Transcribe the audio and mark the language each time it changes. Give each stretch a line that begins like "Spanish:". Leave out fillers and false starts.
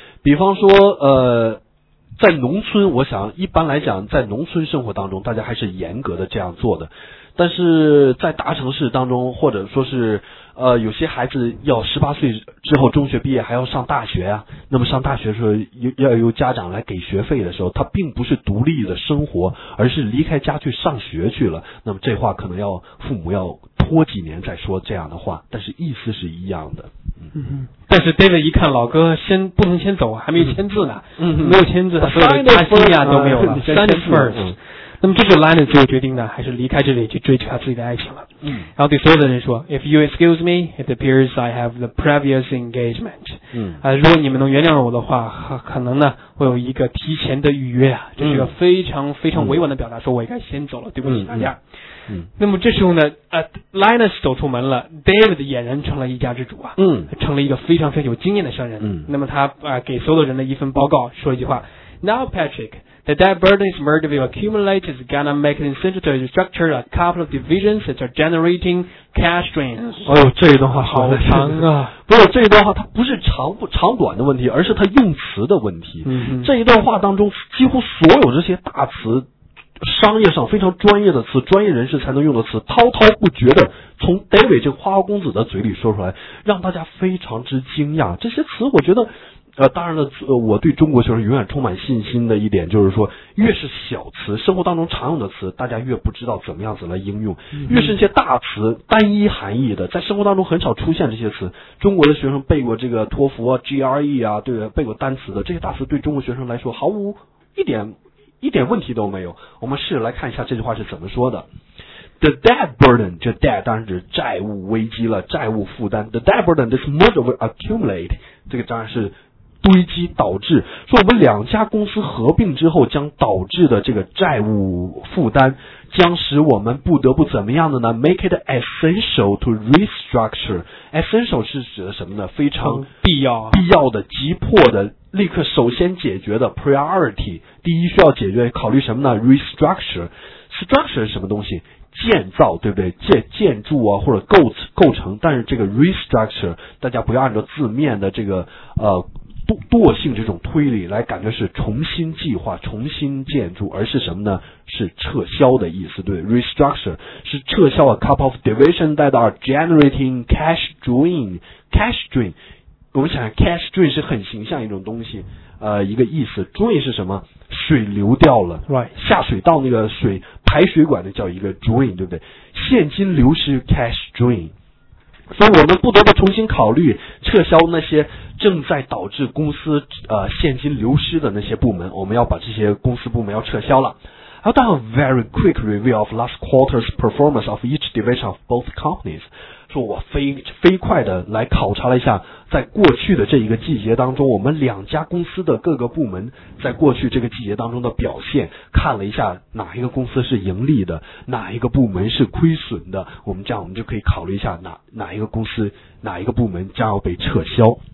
Chinese: 比方说在农村，我想一般来讲在农村生活当中大家还是严格的这样做的，但是在大城市当中，或者说是有些孩子要18岁之后中学毕业还要上大学啊，那么上大学的时候要由家长来给学费的时候，他并不是独立的生活，而是离开家去上学去了，那么这话可能要父母要拖几年再说这样的话，但是意思是一样的。但是 David 一看老哥先不能先走，还没签字呢，没有签字，所以他心里啊都没有了。
English: Sign it first。
Chinese: 那么这是 Linus 最后决定呢，还是离开这里去追求他自己的爱情了。然后对所有的人说
English: ，If you excuse me, it appears I have the previous engagement。
Chinese: 如果你们能原谅我的话，可能呢我有一个提前的预约啊，这是一个非常非常委婉的表达，说我应该先走了，对不起大家。那么这时候呢Linus 走出门了， David 俨然成了一家之主啊，成了一个非常非常有经验的商人。那么他给所有的人的一份报告说一句话
English: ,Now Patrick, the debt burden is murder will accumulate is gonna make the center structure a couple of divisions that are generating cash drains.
Chinese: 哎呦这一段话好长啊。不是这一段话它不是长短的问题，而是它用词的问题。这一段话当中几乎所有这些大词，商业上非常专业的词，专业人士才能用的词，滔滔不绝的从 David 这个花花公子的嘴里说出来，让大家非常之惊讶。这些词我觉得当然了，我对中国学生永远充满信心的一点就是说，越是小词，生活当中常用的词，大家越不知道怎么样子来应用，越是一些大词，单一含义的，在生活当中很少出现这些词。中国的学生背过这个托福啊 GRE 啊，对，背过单词的这些大词，对中国学生来说毫无一点问题都没有。我们试着来看一下这句话是怎么说的。The debt burden, 这 debt 当然指债务危机了，债务负担。
English: The debt burden, this merger will accumulate,
Chinese: 这个当然是堆积导致。说我们两家公司合并之后将导致的这个债务负担将使我们不得不怎么样的呢 ?
English: make it essential to restructure.
Chinese: Essential 是指的什么呢？非常必要、必要的、急迫的、立刻首先解决的 priority, 第一需要解决考虑什么呢 ?restructure. Structure 是什么东西？建造，对不对？建筑啊，或者构成，但是这个 restructure, 大家不要按照字面的这个惰性这种推理来感觉是重新计划、重新建筑，而是什么呢？是撤销的意思，对 ,restructure, 是撤销
English: a couple of divisions that are generating cash drain,
Chinese: cash drain, 我们想 cash drain 是很形象一种东西，一个意思 ,drain 是什么？水流掉了、
English: right.
Chinese: 下水道那个水排水管的叫一个 drain, 对不对？现金流失 cash drain。所以我们不得不重新考虑撤销那些正在导致公司现金流失的那些部门，我们要把这些公司部门要撤销了。
English: I'll do a very quick review of last quarter's performance of each division of both companies.
Chinese: 说我飞快的来考察了一下，在过去的这一个季节当中，我们两家公司的各个部门在过去这个季节当中的表现，看了一下哪一个公司是盈利的，哪一个部门是亏损的，我们这样我们就可以考虑一下哪一个部门将要被撤销。